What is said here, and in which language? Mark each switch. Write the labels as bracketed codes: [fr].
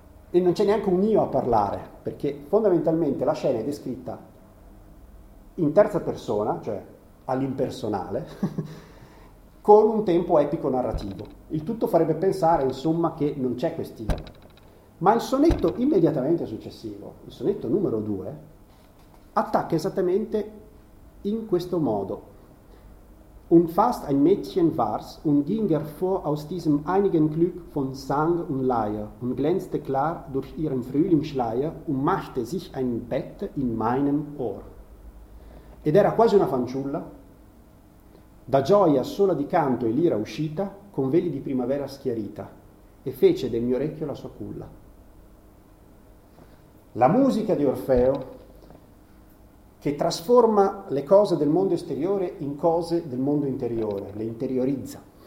[it] E non c'è neanche un io a parlare, perché fondamentalmente la scena è descritta in terza persona, cioè all'impersonale, con un tempo epico narrativo. Il tutto farebbe pensare, insomma, che non c'è quest'io. Ma il sonetto immediatamente successivo, il sonetto numero 2, attacca esattamente in questo modo. [de] Un fast ein Mädchen war's, und ging hervor aus diesem einigen Glück von Sang und Leier, und glänzte klar durch ihren Frühlingsschleier, und machte sich ein Bett in meinem Ohr. [it] Ed era quasi una fanciulla, da gioia sola di canto e lira uscita, con veli di primavera schiarita, e fece del mio orecchio la sua culla. La musica di Orfeo, che trasforma le cose del mondo esteriore in cose del mondo interiore, le interiorizza.